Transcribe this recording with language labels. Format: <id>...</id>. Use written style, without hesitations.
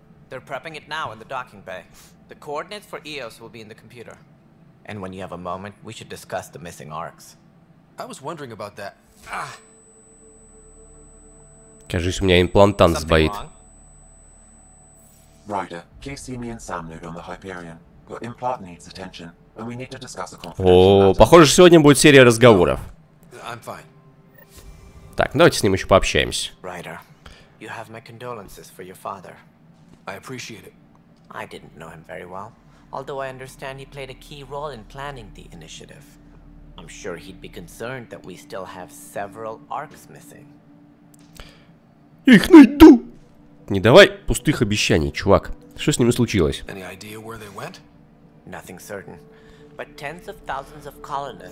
<en>They're prepping it now in the docking bay. The coordinates for Eos will be in the computer. And when you have a moment, we should discuss the missing arcs. I was wondering about that. Ah.</en> <ru>Кажись, у меня имплантант сбоит.</ru> <en>Ryder, Casey, me and Sam nude on the Hyperion. Your implant needs attention, and we need to discuss a</en> <ru>confidential. О, похоже, сегодня будет серия разговоров.</ru> <en>I'm fine.</en> <ru>Так, давайте с ним еще пообщаемся.</ru> <en>Ryder, you have my condolences for your father. I appreciate it. I didn't know him very well, although I understand he played a key role in planning the initiative. I'm sure he'd be concerned that we still have several arcs missing.</en> <ru>Я их найду! Не давай пустых обещаний, чувак. Что с ними случилось?</ru> <en>Any idea where they went? Nothing certain, but tens of thousands of colonists</en>